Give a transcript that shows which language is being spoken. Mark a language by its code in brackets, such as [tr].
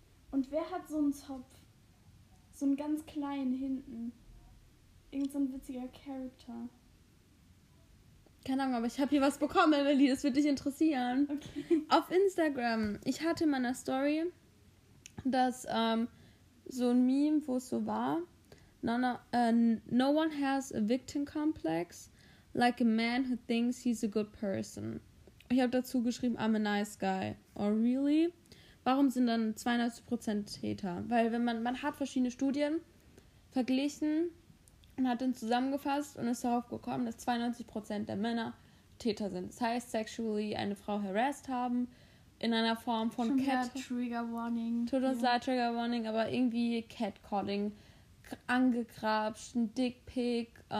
[de] Und wer hat so einen Zopf? So einen ganz kleinen hinten. Irgend so ein witziger Charakter. Keine Ahnung, aber ich habe hier was bekommen, Emily. Das würde dich interessieren. Okay. Auf Instagram. Ich hatte in meiner Story, dass so ein Meme, wo es so war. [en] No one has a victim complex like a man who thinks he's a good person. [de] Ich habe dazu geschrieben, [en] I'm a nice guy. Or really? [de] Warum sind dann 92% Täter? Weil wenn man hat verschiedene Studien verglichen. und hat dann zusammengefasst und ist darauf gekommen, dass 92% der Männer Täter sind. Das heißt, [en] sexually [de] eine Frau [en] harassed [de] haben, in einer Form von Trigger Warning, aber irgendwie Catcalling, angegrabscht, ein Dickpick,